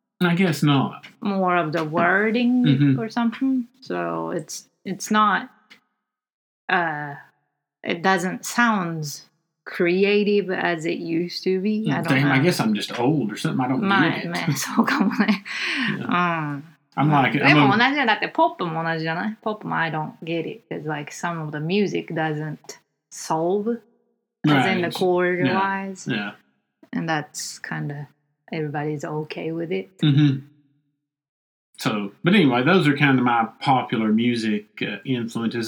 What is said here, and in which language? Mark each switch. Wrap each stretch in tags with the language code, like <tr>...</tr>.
<en>I guess not. More of the wording or something. So it's not... it doesn't sound creative as it used to be. I don't know. I guess I'm just old or something. I don't get it. So come on. I'm like,</en> <ja>でも同じだってポップも同じじゃない？ポップも</ja> <en>I don't get it. It's like some of the music doesn't solve. Right. As in the chord wise. Yeah. And that's kind of, everybody's okay with it. Mm-hmm. So, but anyway, those are kind of my popular music influences.</en>